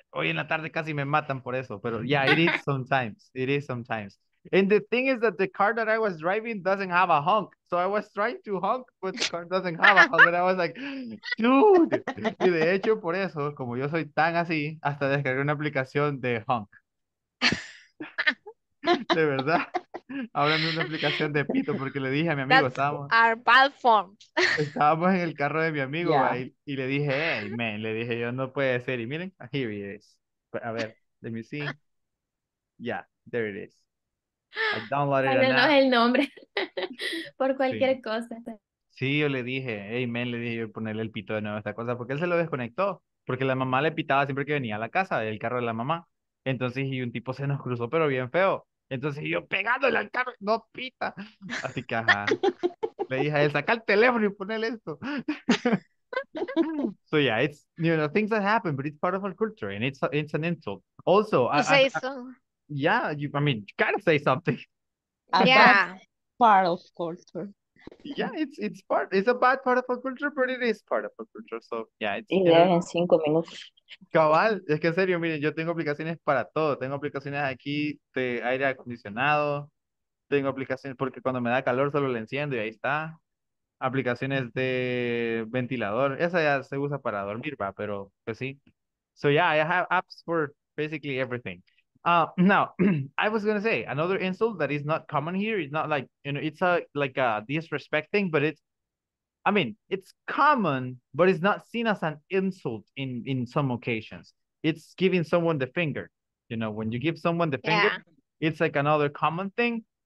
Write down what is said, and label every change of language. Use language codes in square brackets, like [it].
[es] Hoy en la tarde casi me matan por eso, pero [en] yeah, it is sometimes. It is sometimes. And the thing is that the car that I was driving doesn't have a honk. So I was trying to honk, but the car doesn't have a honk. And I was like, dude. [es] Y de hecho, por eso, como yo soy tan así, hasta descargué una aplicación de honk. De verdad. Ahora mismo una aplicación de pito, porque le dije a mi amigo, estábamos en el carro de mi amigo, yeah. Y le dije, [en] hey, man, [es] le dije yo, no puede ser. Y miren, [en] here he is. [es] A ver, [en] let me see. Yeah, there it is. I downloaded it. [es] No es el nombre. Por cualquier cosa. Sí, yo le dije, [en] hey, man, [es] le dije yo ponerle el pito de nuevo a esta cosa, porque él se lo desconectó. Porque la mamá le pitaba siempre que venía a la casa, del carro de la mamá. Entonces, y un tipo se nos cruzó, pero bien feo. Entonces, yo pegándole al carro, no pita. Así que, ajá. Le dije a él, saca el teléfono y ponle esto. [en] So, yeah, it's, you know, things that happen, but it's part of our culture, and it's an insult. Also, yeah, you gotta say something. Yeah. Part of culture. Yeah, it's a bad part of our culture, but it is part of our culture. So yeah, it's en 5 minutes. [es] Cabal, es que en serio, miren, yo tengo aplicaciones para todo. Tengo aplicaciones aquí de aire acondicionado. Tengo aplicaciones porque cuando me da calor solo le enciendo y ahí está. Aplicaciones de ventilador. Esa ya se usa para dormir, va, pero pues sí. [en] So yeah, I have apps for basically everything. Now, I was going to say another insult that is not common here. It's not like, you know, it's a like a disrespect thing, but it's common, but it's not seen as an insult in some occasions. It's giving someone the finger. You know, when you give someone the finger, it's like another common thing.